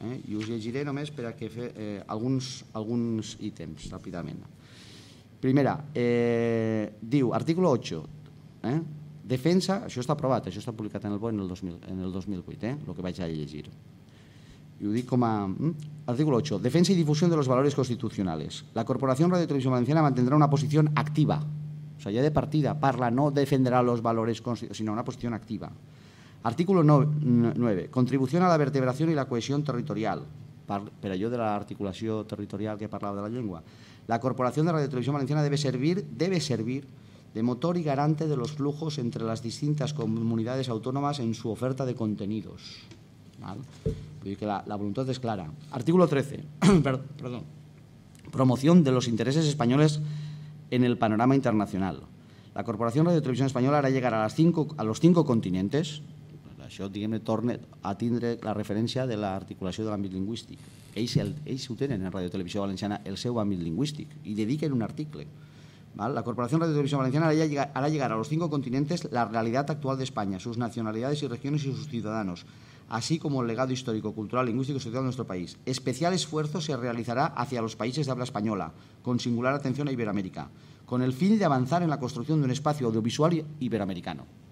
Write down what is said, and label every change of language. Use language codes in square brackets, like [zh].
[ca] I us llegiré només per a que fer alguns ítems ràpidament. Primera, diu, article 8, defensa, això està aprovat, això està publicat en el BOE en el 2008, el que vaig a llegir. I ho dic com a... [es] Artículo 8. Defensa y difusión de los valores constitucionales. La Corporación Radio Televisión Valenciana mantendrá una posición activa. O sea, ya de partida, Parla no defenderá los valores constitucionales, sino una posición activa. Artículo 9. Contribución a la vertebración y la cohesión territorial. Pero yo de la articulación territorial [ca] que parlava de la llengua. [es] La Corporación de Radio Televisión Valenciana debe servir de motor y garante de los flujos entre las distintas comunidades autónomas en su oferta de contenidos. ¿Vale? Que la voluntad es clara. Artículo 13. Perdón. Promoción de los intereses españoles en el panorama internacional. La Corporación Radio Televisión Española hará llegar a los cinco continentes, [ca] això, diguem-ne, torna a tindre la referència de l'articulació de l'àmbit lingüístic. Ells ho tenen en Radio Televisió Valenciana, el seu àmbit lingüístic, i dediquen un article. [es] ¿Vale? La Corporación Radio Televisión Valenciana hará llegar a los cinco continentes la realidad actual de España, sus nacionalidades y regiones y sus ciudadanos, así como el legado histórico, cultural, lingüístico y social de nuestro país. Especial esfuerzo se realizará hacia los países de habla española, con singular atención a Iberoamérica, con el fin de avanzar en la construcción de un espacio audiovisual iberoamericano.